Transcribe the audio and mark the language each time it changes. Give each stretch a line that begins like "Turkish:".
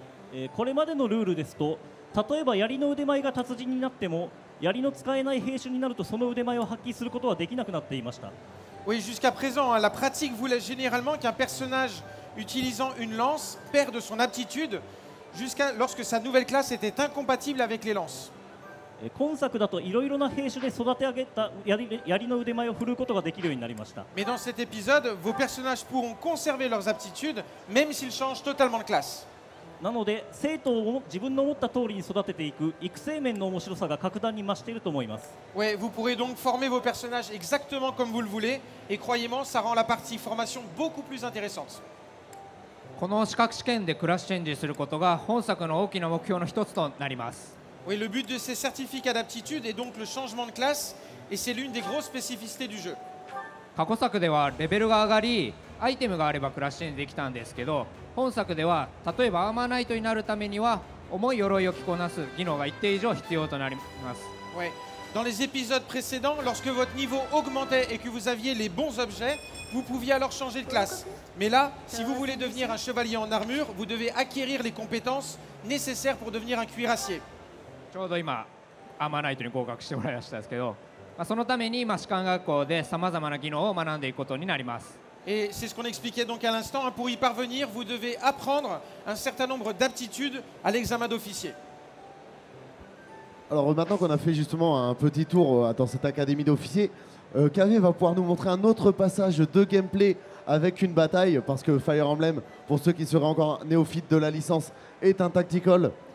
French: Oui, jusqu'à présent, la pratique voulait généralement qu'un personnage utilisant une lance perd de son aptitude jusqu'à lorsque sa nouvelle classe était incompatible avec les lances.
Japanese: 今作だといろいろな兵種で育て上げた槍の腕前を振るうことができるようになりました。
French: Mais dans cet épisode, vos personnages pourront conserver leurs aptitudes, même s'ils changent totalement de classe.
Japanese: なので、生徒を自分の思った通りに育てていく育成面の面白さが格段に増していると思います。
French: Ouais, vous pourrez donc former vos personnages exactement comme vous le voulez, et croyez-moi, ça rend la partie formation beaucoup plus intéressante.
Japanese: この資格試験でクラスチェンジすることが本作の大きな目標の一つとなります。
French: Oui, le but de ces certificats d'aptitude est donc le changement de classe et c'est l'une des grosses spécificités du jeu.
Japanese: 過去作ではレベルが上がり、アイテムがあればクラスチェンジできたんですけど、本作では例えばアーマーナイトになるためには重い鎧を着こなす技能が一定以上必要となります。
French: Oui. Dans les épisodes précédents, lorsque votre niveau augmentait et que vous aviez les bons objets, vous pouviez alors changer de classe. Mais là, si vous voulez devenir un chevalier en armure, vous devez acquérir les compétences nécessaires pour devenir un cuirassier.
Japanese: ちょうど今アーマーナイトに合格してもらいましたですけど、まあ、そのために今士官学校でさまざまな技能を学んでいくことになります。
French: Et c'est ce qu'on expliquait donc à l'instant. Pour y parvenir, vous devez apprendre un certain nombre d'aptitudes à l'examen d'officier. Alors maintenant qu'on a fait justement un petit tour dans cette académie d'officiers, Camille va pouvoir nous montrer un autre passage de gameplay avec une bataille, parce que Fire Emblem, pour ceux qui seraient encore néophytes de la licence, est un tactical.